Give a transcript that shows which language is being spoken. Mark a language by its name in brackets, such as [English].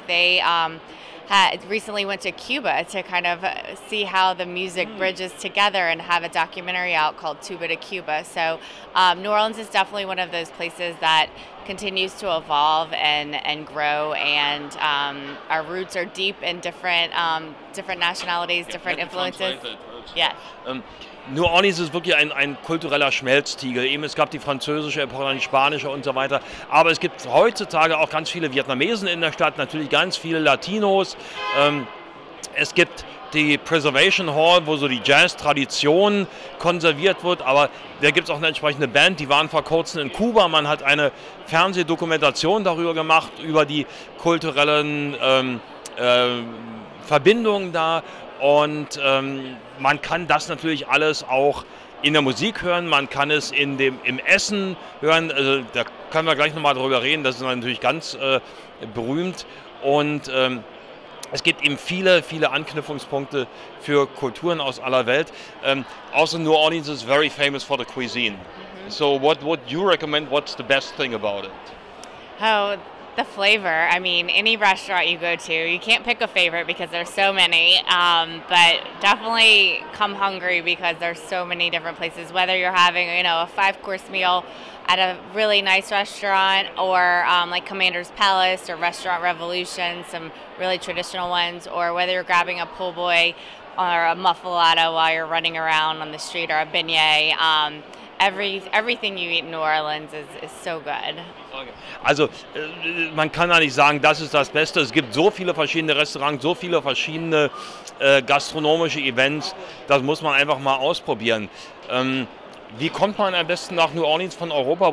[English] They recently went to Cuba to kind of see how the music bridges together and have a documentary out called Tuba to Cuba. So New Orleans is definitely one of those places that continues to evolve and grow, and our roots are deep in different nationalities, different influences. Yeah. [German] New Orleans ist wirklich ein kultureller Schmelztiegel. Eben es gab die französische Epoche, dann die spanische und so weiter. Aber es gibt heutzutage auch ganz viele Vietnamesen in der Stadt, natürlich ganz viele Latinos. Es gibt die Preservation Hall, wo so die Jazz-Tradition konserviert wird, aber da gibt es auch eine entsprechende Band, die waren vor kurzem in Kuba. Man hat eine Fernsehdokumentation darüber gemacht, über die kulturellen Verbindungen da. Und man kann das natürlich alles auch in der Musik hören, man kann es im Essen hören. Also, da können wir gleich nochmal drüber reden, das ist natürlich ganz berühmt. Und es gibt eben viele, viele Anknüpfungspunkte für Kulturen aus aller Welt. [English] Also New Orleans is very famous for the cuisine. Mm-hmm. So what would you recommend? What's the best thing about it? Oh, the flavor. I mean, any restaurant you go to, you can't pick a favorite because there's so many. But definitely come hungry because there's so many different places, whether you're having, you know, a 5-course meal at a really nice restaurant or like Commander's Palace or Restaurant Revolution, some really traditional ones, or whether you're grabbing a po' boy or a muffaletta while you're running around on the street or a beignet. Everything you eat in New Orleans is so good. [German] Also man kann eigentlich sagen, das ist das Beste. Es gibt so viele verschiedene Restaurants, so viele verschiedene gastronomische Events. Das muss man einfach mal ausprobieren. Wie kommt man am besten nach New Orleans von Europa?